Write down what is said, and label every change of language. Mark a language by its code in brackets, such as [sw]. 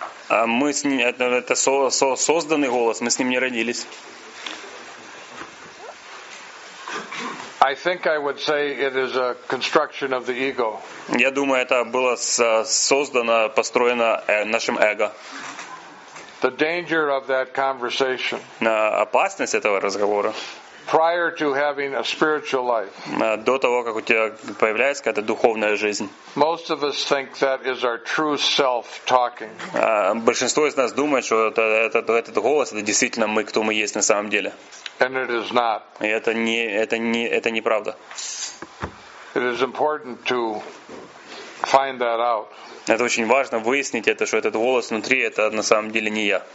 [ru] Мы с ним, это созданный голос, мы с ним не родились. [en] I think I would say it is a construction of the ego. [ru] Я думаю, это было создано, построено нашим эго. [en] The danger of that conversation. [ru] Опасность этого разговора. [en] Prior to having a spiritual life. [ru] До того, как у тебя появляется какая-то духовная жизнь. [en] Most of us think that is our true self talking. [ru] Большинство из нас думает, что этот голос это действительно мы, кто мы есть на самом деле. [en] And it is not. [ru] И это не правда. [en] It is important to find that out. [ru] Это очень важно выяснить это, что этот голос внутри, это на самом деле не я.